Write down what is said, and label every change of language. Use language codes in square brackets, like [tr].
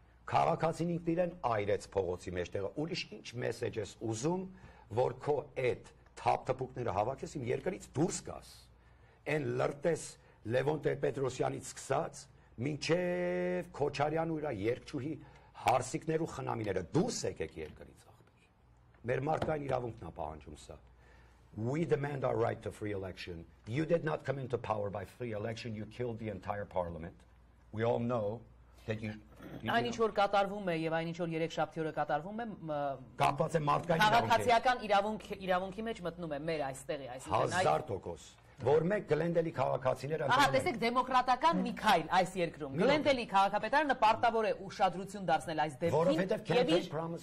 [hy] Քաղաքացին ինքն իրեն այրեց փողոցի մեջտեղը։ Ուրիշ ինչ մեսեջ ես ուզում, որ քո այդ թափթփուկները հավաքես իմ երկրից դուրս գաս։ Այն լրտես Լևոն Տեր-Պետրոսյանից սկսած, մինչև Քոչարյան ու իր երկչուհի հարսիկներու խնամիները դուրս եկեք երկրից, ախպեր։ Մեր մարդկային իրավունքն է պահանջում սա։ [en] We demand our right to free election. You did not come into power by free election. You killed the entire parliament. We all know that you. [hy] Այն ինչ որ կատարվում է եւ այն ինչ որ 3 շաբթի օրը կատարվում է, կապված է մարդկային իրավունքի հետ։ Քաղաքացիական իրավունքի մեջ մտնում է մեր այստեղի, այսինքն 100%։ Որ մեկ Գլենդելի քաղաքացիներ ընդունում են։ Ահա, տեսեք, դեմոկրատական մի քայլ այս երկրում։ Գլենդելի քաղաքապետարանը պարտավոր է ուշադրություն դարձնել այս դեպքին